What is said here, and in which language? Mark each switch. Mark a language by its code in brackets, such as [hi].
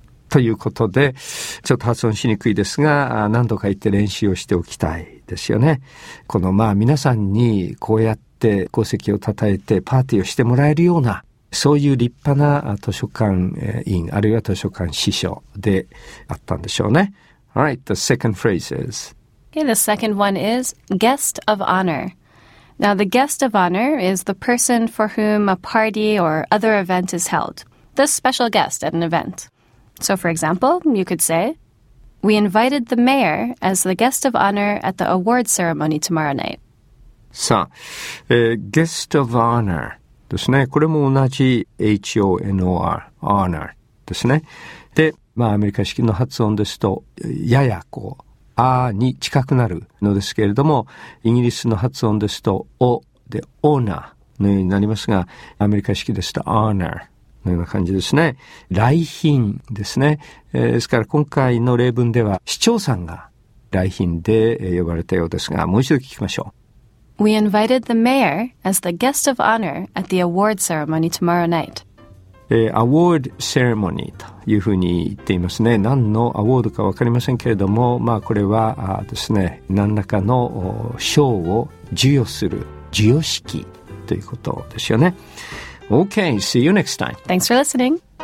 [ja] ということで、ちょっと発音しにくいですが、何度か言って練習をしておきたいですよね。このまあ皆さんにこうやって功績を称えてパーティーをしてもらえるような、そういう立派な図書館員あるいは図書館司書であったんでしょうね。 [en] Alright, the second phrase is Okay, the second one is guest of honor. Now the guest of honor is the person for whom a party or other event is held, the special guest at an eventSo, for example, you could say, We invited the mayor as the guest of honor at the award ceremony tomorrow night. [ja] さあ、guest of honor ですね。これも同じ H-O-N-O-R、honor ですね。で、まあ、アメリカ式の発音ですと、ややこう、あーに近くなるのですけれども、イギリスの発音ですと、お、で、honor のようになりますが、アメリカ式ですと、honor。のような感じですね。来賓ですね、ですから今回の例文では市長さんが来賓で呼ばれたようですが、もう一度聞きましょう。 [en] We invited the mayor as the guest of honor at the award ceremony tomorrow night. [ja] Award ceremony というふうに言っていますね。何のアワードか分かりませんけれども、まあこれはですね、何らかの賞を授与する授与式ということですよね。 [en] Okay, see you next time. Thanks for listening.